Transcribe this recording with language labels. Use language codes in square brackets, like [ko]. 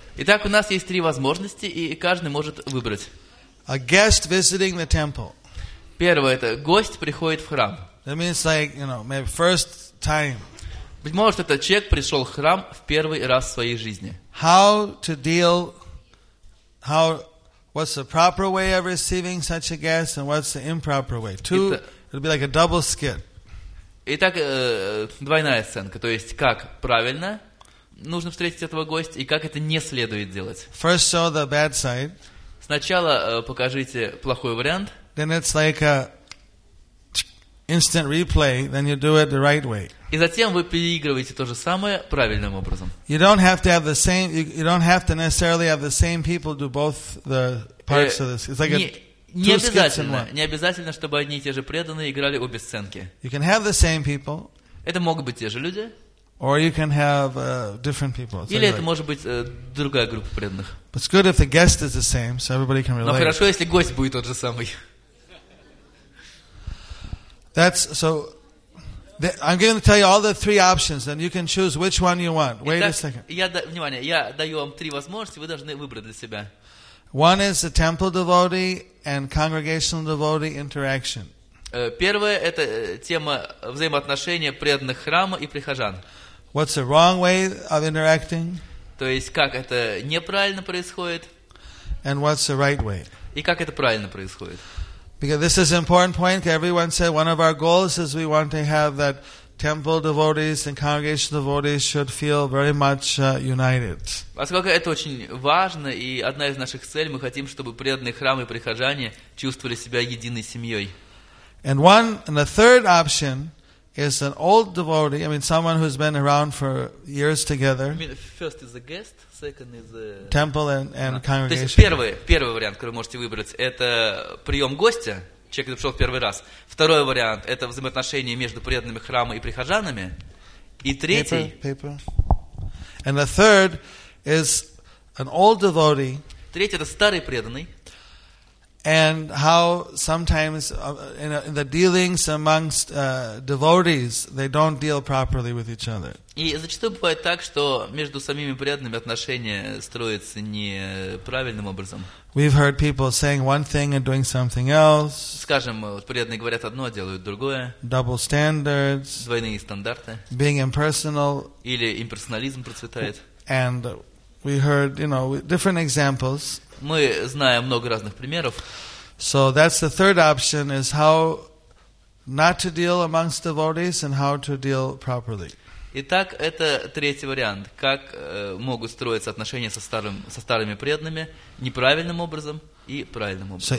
[ru] Итак, у нас есть три возможности, и каждый может выбрать. [en] A guest visiting the temple. [ru] Первое – это гость приходит в храм. [en] That means like, you know, maybe first time. [ru] Быть может, этот человек пришел в храм в первый раз в своей жизни. [en] How to deal, how, what's the proper way of receiving such a guest, and what's the improper way? Two, it'll be like a double skit. [ru] Итак, двойная сценка, то есть как правильно нужно встретить этого гостя и как это не следует делать. [en] First show the bad side. [ru] Сначала покажите плохой вариант. [en] Then it's like a instant replay. Then you do it the right way. [ru] И затем вы переигрываете то же самое правильным образом. [en] You don't have to have the same. You don't have to necessarily have the same people do both the parts of this. It's like a [ru] Не обязательно, чтобы одни и те же преданные играли обе сценки. [en] You can have the same people. [ru] Это могут быть те же люди. [en] Or you can have different people. [ru] Или like. Это может быть другая группа преданных. [en] But it's good if the guest is the same, so everybody can relate. [ru] Но хорошо, если гость будет тот же самый. [en] That's so. I'm going to tell you all the three options, and you can choose which one you want. Wait [ru] Итак, [en] a second. [ru] Внимание, я даю вам три возможности, вы должны выбрать для себя. [en] One is the temple devotee and congregational devotee interaction. [ru] Первое – это тема взаимоотношения преданных храма и прихожан. [en] What's the wrong way of interacting? [ru] То есть, как это неправильно происходит. [en] And what's the right way? [ru] И как это правильно происходит. [en] Because this is an important point. Everyone said one of our goals is we want to have that temple devotees and congregational devotees should feel very much united. [ru] Поскольку это очень важно, и одна из наших целей, мы хотим, чтобы преданные храмы и прихожане чувствовали себя единой семьей. [en] And one, and the third option is an old devotee, I mean someone who's been around for years together. I mean, first is the guest, second is the... Temple and congregation. [ru] То есть первый вариант, который вы можете выбрать, это прием гостя, человек, который пришел в первый раз. Второй вариант – это взаимоотношения между преданными храма и прихожанами. И третий... [en] Paper. And the third is an old devotee. [ru] Третий – это старый преданный. [en] And how sometimes in the dealings amongst devotees, they don't deal properly with each other. [ru] И зачастую бывает так, что между самими преданными отношения строятся неправильным образом. [en] We've heard people saying one thing and doing something else. [ru] Скажем, преданные говорят одно, делают другое. [en] Double standards. [ru] Двойные стандарты. [en] Being impersonal. [ru] Или имперсонализм процветает. [en] And we heard, you know, different examples. [ru] Мы знаем много разных примеров. [en] So that's the third option, is how not to deal amongst devotees and how to deal properly. [ru] Итак, это третий вариант. Как могут строиться отношения со старыми преданными неправильным образом и правильным образом.